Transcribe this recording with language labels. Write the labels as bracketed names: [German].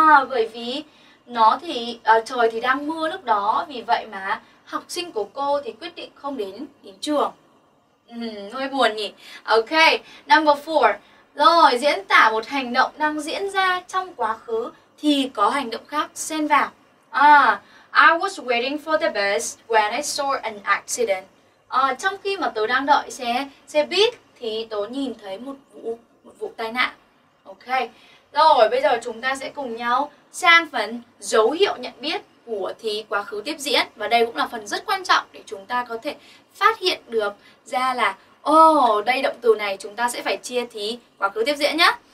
[Vietnamese] Bởi vì trời thì đang mưa lúc đó, vì vậy mà học sinh của cô thì quyết định không đến trường. Hơi buồn nhỉ. [English] Ok, number 4. [Vietnamese] Rồi, diễn tả một hành động đang diễn ra trong quá khứ thì có hành động khác xen vào. [English] I was waiting for the bus when I saw an accident. [Vietnamese] Trong khi mà tớ đang đợi xe buýt thì tớ nhìn thấy một vụ tai nạn. Ok. Rồi, bây giờ chúng ta sẽ cùng nhau sang phần dấu hiệu nhận biết của thì quá khứ tiếp diễn. Và đây cũng là phần rất quan trọng để chúng ta có thể phát hiện được ra là đây động từ này chúng ta sẽ phải chia thì quá khứ tiếp diễn nhé.